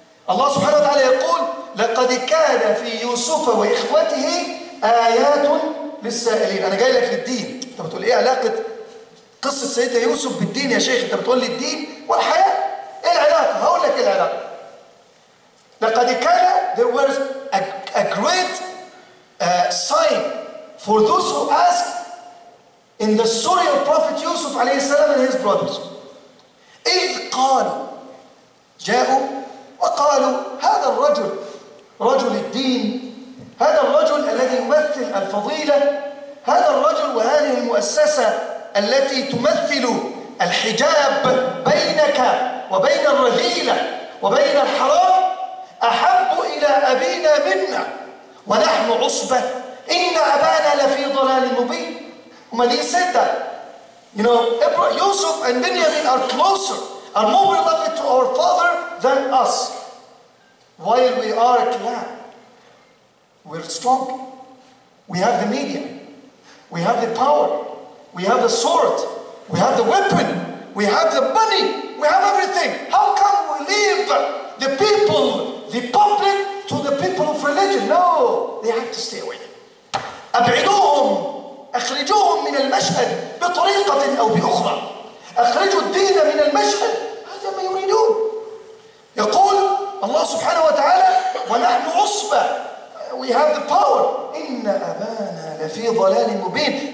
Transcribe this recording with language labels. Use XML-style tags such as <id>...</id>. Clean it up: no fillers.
<ar>الله سبحانه وتعالى يقول لقد كان في يوسف وإخوته آيات للسائلين. أنا جاي لك للدين. أنت بتقول إيه علاقة قصة سيدنا يوسف بالدين يا شيخ؟ أنت بتقول لي الدين والحياة؟ إيه العلاقة؟ هقول لك إيه العلاقة. لقد كان</ar> <en>there was a great sign for those who ask in the story of Prophet Yusuf عليه السلام and his brothers.</en> <ar>إذ قالوا جاءوا وقالوا هذا الرجل رجل الدين هذا الرجل الذي يمثل الفضيلة هذا الرجل وهذه المؤسسة التي تمثل الحجاب بينك وبين الرذيلة وبين الحرام أحب إلى أبينا منا ونحن عصبة إن أبانا لفي ضلال مبين. هما دي سيدة.</ar> <en>You know, Abraham, Yusuf and Benjamin are closer, are more beloved to our father than us. While we are clan, we're strong. We have the media. We have the power. We have the sword. We have the weapon. We have the money. We have everything. How can we leave the people, the public, to the people of religion? No, they have to stay away.</en> <ar>أبعدوهم أخرجوهم من المشهد بطريقة أو بأخرى. أخرجوا الدين من المشهد. هذا ما يريدون. يقول الله سبحانه وتعالى ونحن عصبة.</ar> <en>We have the power.</en> <ar>إن أبانا لفي ضلال مبين.</ar>